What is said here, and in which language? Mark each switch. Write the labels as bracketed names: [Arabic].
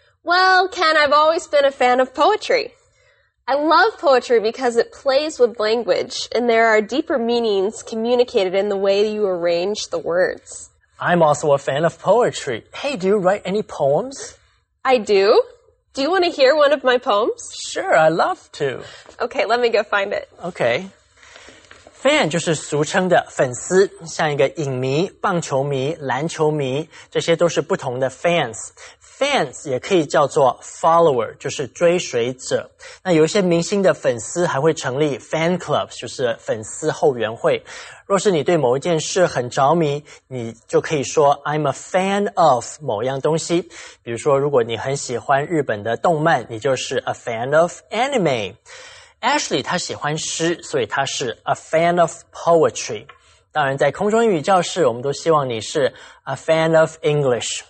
[English] Well, Ken, I've always been a fan of poetry. I love poetry because it plays with language, and there are deeper meanings communicated in the way you arrange the words. I'm also a fan of poetry. Hey, do you write any poems? I do. Do you want to hear one of my poems? Sure, I'd love to. Okay, let me go find it. Okay. [Chinese] Fan 就是俗称的粉丝，像一个影迷、棒球迷、篮球迷，这些都是不同的 fans。 Fans 也可以叫做 follower， 就是追随者。那有一些明星的粉丝还会成立 fan clubs， 就是粉丝后援会。若是你对某一件事很着迷，你就可以说 [English] I'm a fan of [Chinese] 某样东西。比如说，如果你很喜欢日本的动漫，你就是 [English] a fan of anime。 [Chinese] Ashley 她喜欢诗，所以她是 [English] a fan of poetry。 [Chinese] 当然，在空中英语教室，我们都希望你是 [English] a fan of English。